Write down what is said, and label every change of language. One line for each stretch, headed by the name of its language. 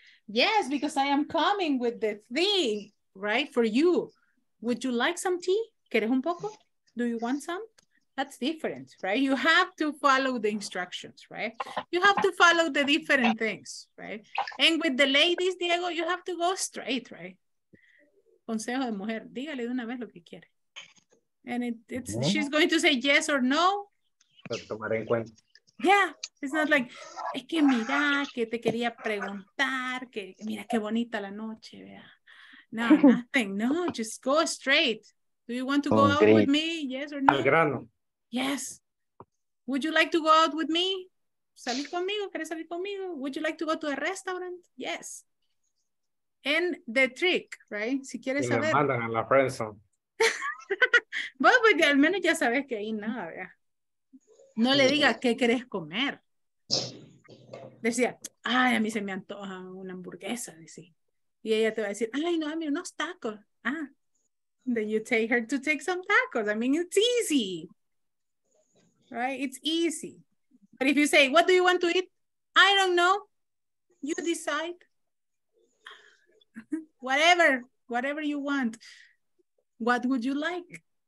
English: Yes, because I am coming with the thing, right, for you. Would you like some tea?
Spanish: ¿Quieres un poco?
English: Do you want some? That's different, right? You have to follow the instructions, right? You have to follow the different things, right? And with the ladies, Diego, you have to go straight, right?
Spanish: Consejo de mujer, dígale de una vez lo que quiere.
English: And it's yeah. She's going to say yes or no.
Spanish: Pero tomar en cuenta.
English: Yeah, it's not like,
Spanish: es que mira, que te quería preguntar, que mira qué bonita la noche, vea.
English: No, nothing. No, just go straight. Do you want to go out with me? Yes or no?
Spanish: Al grano.
English: Yes. Would you like to go out with me?
Spanish: ¿Salir conmigo? ¿Quieres salir conmigo?
English: Would you like to go to a restaurant? Yes. And the trick, right?
Spanish: Si quieres saber. Me mandan a la friendzone. Bueno, porque al menos ya sabes que hay nada, ¿verdad? No le digas qué quieres comer. Decía, ay, a mí se me antoja una hamburguesa, decía. Y ella te va a decir, ay, no, a mí unos tacos.
English: Ah, then you take her to take some tacos. I mean, it's easy. Right? It's easy. But if you say, what do you want to eat? I don't know. You decide. whatever you want. What would you like?